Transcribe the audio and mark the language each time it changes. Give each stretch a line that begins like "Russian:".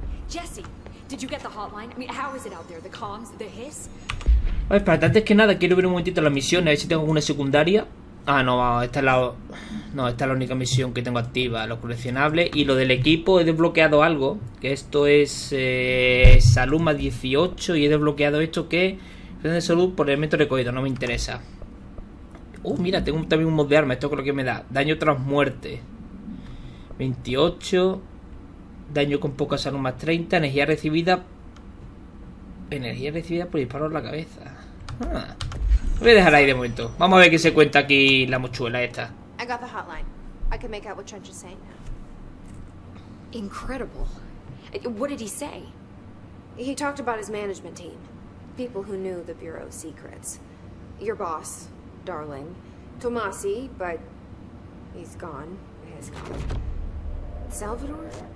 English: Jesse, ¿did you get the hotline? I mean, how is it out there? The comms, the hiss?
Spanish: A ver, espérate, antes que nada, quiero ver un momentito la misión, a ver si tengo alguna secundaria. Ah, no, esta es la... No, esta es la única misión que tengo activa, los coleccionables. Y lo del equipo, he desbloqueado algo. Que esto es... salud más 18, y he desbloqueado esto que... Es de salud por elemento recogido, no me interesa. Mira, tengo también un mod de arma, esto creo que me da. Daño tras muerte. 28. Daño con poca salud más 30. Energía recibida... Energía recibida por disparo en la cabeza. Ah. Voy a dejar ahí de momento. Vamos a ver qué se cuenta aquí la mochuela esta.
English: I got the hotline. I can make out what Trench is saying. Incredible. What did he say? He talked about his management team. People who knew the bureau's secrets. Your boss, darling. Tomasi, but he's gone. He has gone. Salvador?